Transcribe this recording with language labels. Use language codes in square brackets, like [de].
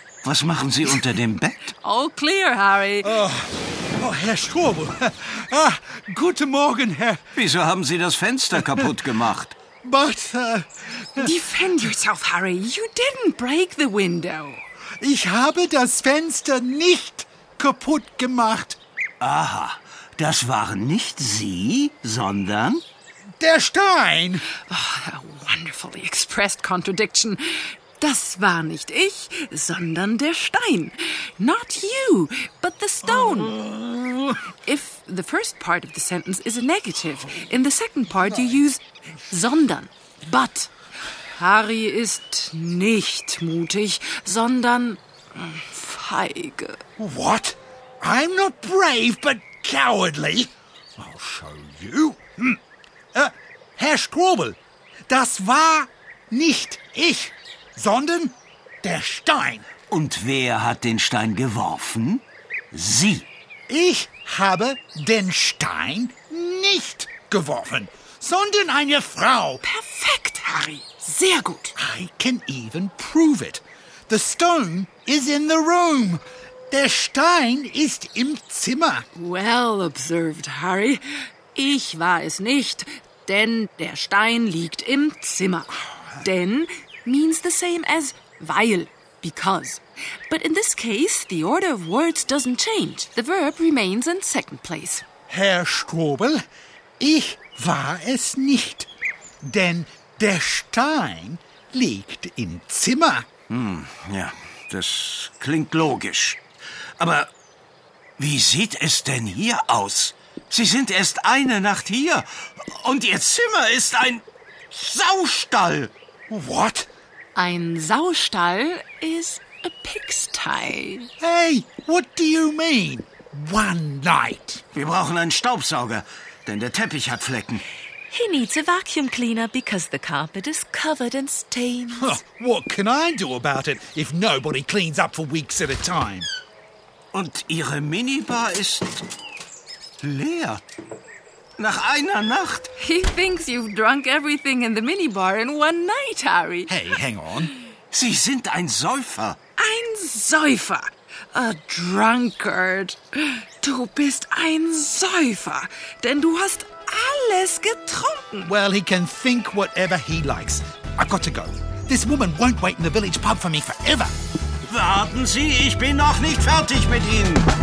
[de] Was machen Sie unter dem Bett? [en] All clear, Harry. [de] Oh, Herr Strobel. Guten Morgen, Herr. Wieso haben Sie das Fenster kaputt gemacht? [en] But, Defend yourself, Harry. You didn't break the window. [de] Ich habe das Fenster nicht kaputt gemacht. Aha, das waren nicht Sie, sondern... Der Stein! [en] Oh, a wonderfully expressed contradiction. [de] Das war nicht ich, sondern der Stein. [en] Not you, but the stone. If the first part of the sentence is a negative, in the second part you use sondern, but. [de] Harry ist nicht mutig, sondern feige. [en] What? I'm not brave, but cowardly. I'll show you. [de] Herr Strobel, das war nicht ich, sondern der Stein. Und wer hat den Stein geworfen? Sie. Ich habe den Stein nicht geworfen, sondern eine Frau. Perfekt, Harry. Sehr gut. [en] I can even prove it. The stone is in the room. [de] Der Stein ist im Zimmer. [en] Well observed, Harry. [de] Ich war es nicht, denn der Stein liegt im Zimmer. [en] Denn means the same as weil. Because. But in this case, the order of words doesn't change. The verb remains in second place. [de] Herr Strobel, ich war es nicht, denn der Stein liegt im Zimmer. Ja, das klingt logisch. Aber wie sieht es denn hier aus? Sie sind erst eine Nacht hier und Ihr Zimmer ist ein Saustall. [en] What? Ein Saustall is a pigsty. Hey, what do you mean? One night. [de] Wir brauchen einen Staubsauger, denn der Teppich hat Flecken. [en] He needs a vacuum cleaner because the carpet is covered in stains. Huh, what can I do about it if nobody cleans up for weeks at a time? [de] Und Ihre Minibar ist leer. Nach einer Nacht? [en] He thinks you've drunk everything in the minibar in one night, Harry. Hey, hang on. [de] Sie sind ein Säufer. Ein Säufer. [en] A drunkard. [de] Du bist ein Säufer, denn du hast alles getrunken. [en] Well, he can think whatever he likes. I've got to go. This woman won't wait in the village pub for me forever. [de] Warten Sie, ich bin noch nicht fertig mit Ihnen.